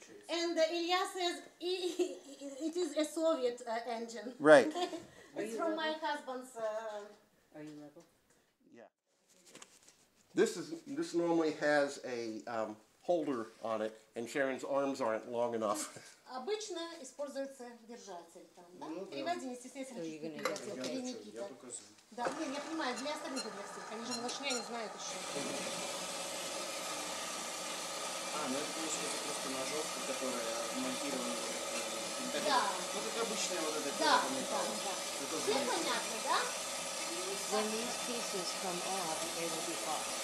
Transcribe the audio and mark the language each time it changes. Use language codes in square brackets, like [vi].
[en] And Ilya says it is a Soviet engine. Right. It's from my husband's. Are you level? Yeah. This normally has a holder on it, and Sharon's arms aren't long enough. [ru] Обычно используется держатель там, да? Переводи, естественно, или Никита. Да, не, я понимаю, для остальных для всех. Они же малышня не знают еще. [en] These pieces come off, they will be hot.